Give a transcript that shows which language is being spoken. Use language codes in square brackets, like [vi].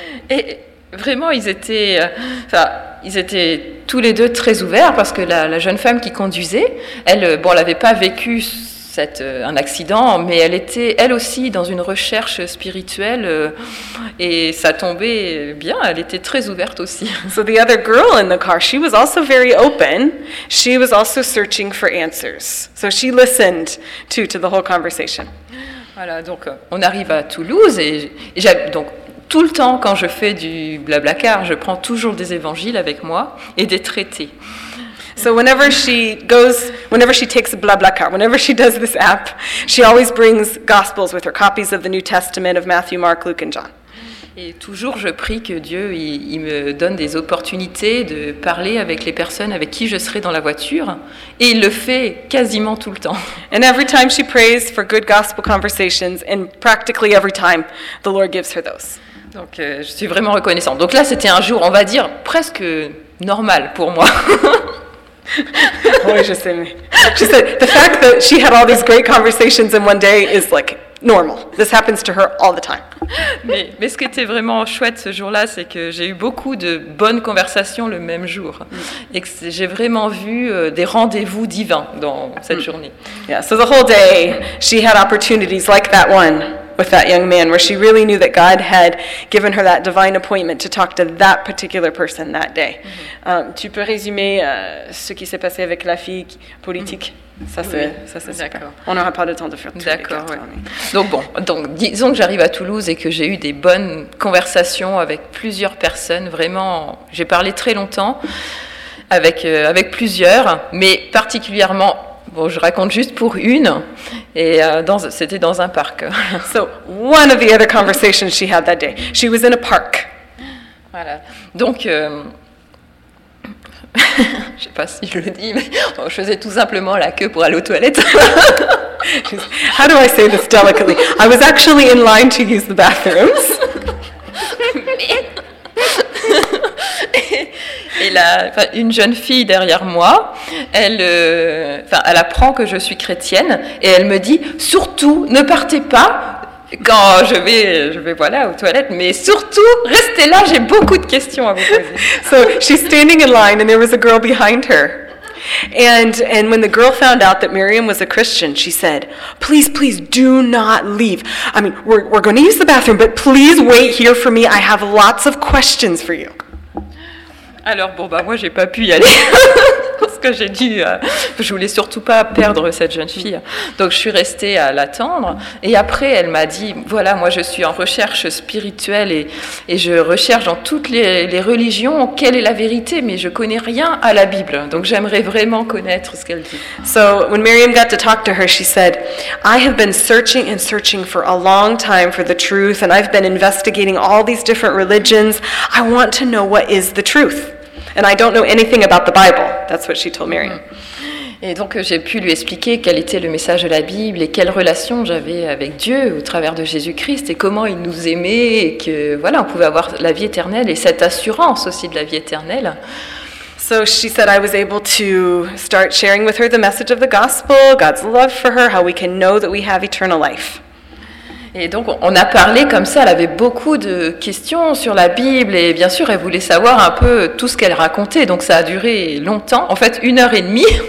[fr] Et vraiment ils étaient tous les deux très ouverts parce que la jeune femme qui conduisait, elle n'avait pas vécu un accident, mais elle était elle aussi dans une recherche spirituelle et ça tombait bien, elle était très ouverte aussi. [en] So the other girl in the car, she was also very open, she was also searching for answers. So she listened to the whole conversation. [fr] Voilà, donc on arrive à Toulouse et j'ai donc tout le temps quand je fais du blabla car, je prends toujours des évangiles avec moi et des traités. [en] So whenever she goes, whenever she takes a blah blah car, whenever she does this app, she always brings gospels with her, copies of the New Testament of Matthew, Mark, Luke, and John. [fr] Et toujours je prie que Dieu il me donne des opportunités de parler avec les personnes avec qui je serai dans la voiture, et il le fait quasiment tout le temps. [en] And every time she prays for good gospel conversations, and practically every time, the Lord gives her those. [fr] Donc je suis vraiment reconnaissante. Donc là c'était un jour, on va dire, presque normal pour moi. Oui, je sais. [en] She said the fact that she had all these great conversations in one day is like normal. This happens to her all the time. [fr] Mais ce qui était vraiment chouette ce jour-là, c'est que j'ai eu beaucoup de bonnes conversations le même jour, et que j'ai vraiment vu des rendez-vous divins dans cette journée. [en] Yeah, so the whole day she had opportunities like that one with that young man, where she really knew that God had given her that divine appointment to talk to that particular person that day. Mm-hmm. [fr] Tu peux résumer ce qui s'est passé avec la fille politique? Mm-hmm. Ça c'est d'accord. Super. On n'aura pas le temps de faire tout. D'accord. Les quatre, ouais. Donc disons que j'arrive à Toulouse et que j'ai eu des bonnes conversations avec plusieurs personnes. Vraiment, j'ai parlé très longtemps avec plusieurs, mais particulièrement. Bon, je raconte juste pour une, et c'était dans un parc. [en] So, one of the other conversations she had that day. She was in a park. [fr] Voilà. Donc, je ne sais pas si je le dis, mais bon, je faisais tout simplement la queue pour aller aux toilettes. [en] How do I say this delicately? I was actually in line to use the bathrooms. [fr] Et là, une jeune fille derrière moi, elle apprend que je suis chrétienne et elle me dit, surtout ne partez pas quand je vais voilà aux toilettes, mais surtout restez là, j'ai beaucoup de questions à vous poser. [en] So she's standing in line and there was a girl behind her. And when the girl found out that Miriam was a Christian, she said, please, please do not leave. I mean, we're going to use the bathroom, but please wait here for me. I have lots of questions for you. [fr] Alors bon, bah moi j'ai pas pu y aller. ce que j'ai dit. Je voulais surtout pas perdre cette jeune fille. Donc je suis restée à l'attendre. Et après, elle m'a dit, voilà, moi je suis en recherche spirituelle et je recherche dans toutes les religions quelle est la vérité, mais je connais rien à la Bible. Donc j'aimerais vraiment connaître ce qu'elle dit. [en] So when Miriam got to talk to her, she said, I have been searching and searching for a long time for the truth, and I've been investigating all these different religions. I want to know what is the truth. And I don't know anything about the Bible. That's what she told Miriam. [fr] Et donc j'ai pu lui expliquer quel était le message de la Bible et quelle relation j'avais avec Dieu au travers de Jésus-Christ et comment il nous aimait et que voilà, on pouvait avoir la vie éternelle et cette assurance aussi de la vie éternelle. [en] So she said I was able to start sharing with her the message of the gospel, God's love for her, how we can know that we have eternal life. [fr] Et donc on a parlé comme ça, elle avait beaucoup de questions sur la Bible et bien sûr elle voulait savoir un peu tout ce qu'elle racontait, donc ça a duré longtemps, en fait une heure et demie.